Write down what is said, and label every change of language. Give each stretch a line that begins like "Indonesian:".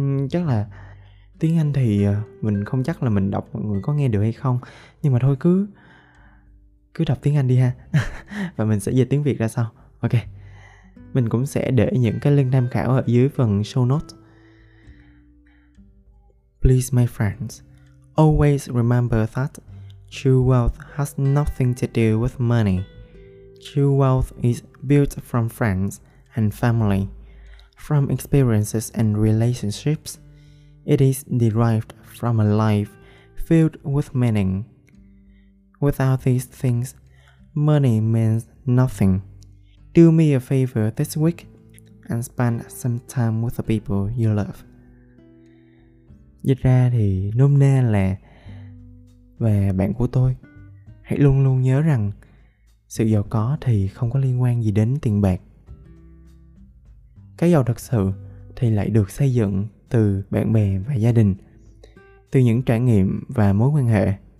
Vietnamese: Chắc là tiếng Anh thì mình không chắc là mình đọc mọi người có nghe được hay không, nhưng mà thôi cứ đọc tiếng Anh đi ha. Và mình sẽ dịch tiếng Việt ra sau. Ok, mình cũng sẽ để những cái link tham khảo ở dưới phần show notes.
English: Please my friends, always remember that true wealth has nothing to do with money. True wealth is built from friends and family, from experiences and relationships. It is derived from a life filled with meaning. Without these things, money means nothing. Do me a favor this week and spend some time with the people you love.
Vietnamese: Dịch ra thì nôm na là về bạn của tôi. Hãy luôn luôn nhớ rằng sự giàu có thì không có liên quan gì đến tiền bạc. Cái giàu thật sự thì lại được xây dựng từ bạn bè và gia đình, từ những trải nghiệm và mối quan hệ.